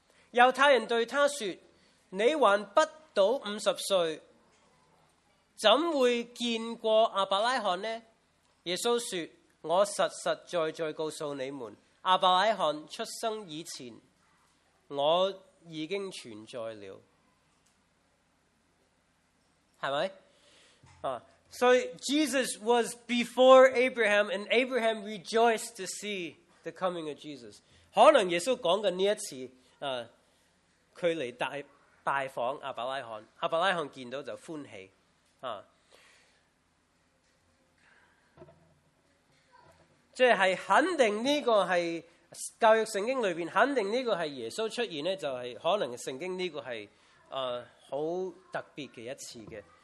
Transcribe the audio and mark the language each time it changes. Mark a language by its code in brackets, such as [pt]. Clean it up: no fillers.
[zh] 犹太人对他说：你还不到五十岁，怎会见过亚伯拉罕呢？耶稣说：我实实在在告诉你们，亚伯拉罕出生以前，我已经存在了。是吧？ [en] So Jesus was before Abraham, and Abraham rejoiced to see the coming of Jesus. [zh] 可能耶稣讲的这一次，他来拜访亚伯拉罕，亚伯拉罕见到就欢喜。即是肯定这个是教育圣经里面，肯定这个是耶稣出现，就是可能圣经这个是很特别的一次的。